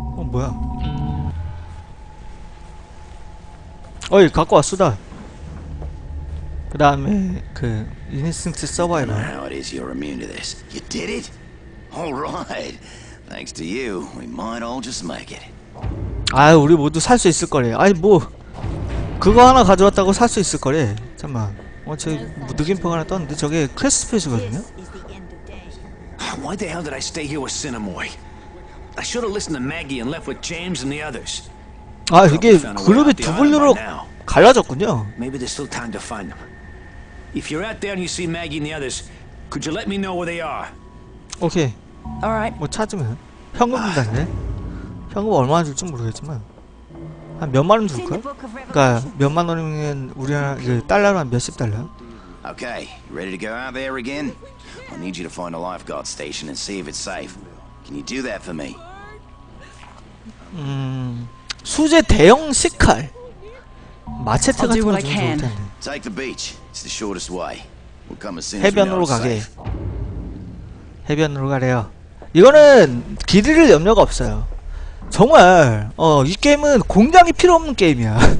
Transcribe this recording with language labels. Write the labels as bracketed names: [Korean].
[Korean] 뭐야? 어이, 갖고 왔수다. 그 다음에 그 인스턴트 서바이벌. [English] Now it is you're immune to this. You did it. All right. Thanks to you, we might all just make it. [Korean] 아, 우리 모두 살 수 있을 거래. 아니 뭐 그거 하나 가져왔다고 살 수 있을 거래. 잠만. 저 무드김퍼가 하나 떴는데 저게 퀘스트 페이지거든요. [English] Why the hell did I stay here with Cinemoy? I should have listened to Maggie and left with James and the others. [Korean] 아, 이게 그룹이 두 분류로 갈라졌군요. [English] Maybe there's still time to find them. If you're out there and you see Maggie and the others, could you let me know where they are? Okay. All right. [Korean] 뭐 찾으면 현금 분단이네. 현금 얼마나 줄지 모르겠지만 한 몇만 원 줄까? 그러니까 몇만 원이면 우리나라 이제 달러로 한 몇십 달러? [English] Okay. Ready to go out there again? I need you to find a lifeguard station and see if it's safe. Can you do that for me? [Korean] 수제 대형 식칼 마체트 같은 걸 좀 줄 텐데. [English] Take the beach. It's the shortest way. We'll come as soon as [Korean] 해변으로 가게. 해변으로 가래요. 이거는 길이를 염려가 없어요. 정말 이 게임은 공략이 필요 없는 게임이야.